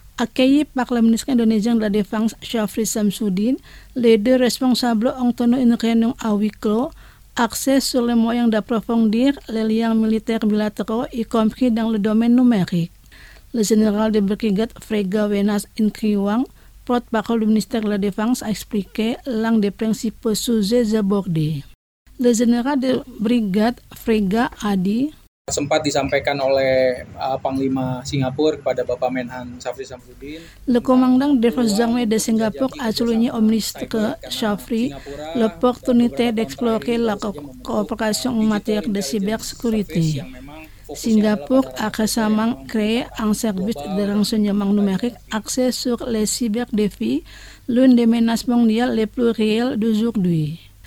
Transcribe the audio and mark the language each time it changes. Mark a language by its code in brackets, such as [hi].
[fr] Accueillis par le ministre indonésien de la Défense, Syafri Samsudin, les deux responsables ont tenu une réunion à huis clos, axée sur les moyens d'approfondir les liens militaires bilatéraux, y compris dans le domaine numérique. Le général de Brigade Frega Wenas Inkriwang, porte-parole du ministère de la Défense, a expliqué l'un des principaux sujets abordés. Le général de Brigade Frega a dit: [id] sempat disampaikan oleh Panglima Singapura kepada Bapak Menhan Syafri Samsudin. [fr] Le commandant des forces armées de Singapour a souligné au ministre Syafri l'opportunité d'explorer la coopération en matière de cybersécurité. Singapore a récemment créé un service de renseignement numérique axé sur les cyberdéfis, l'une des menaces mondiales les plus réelles d'aujourd'hui.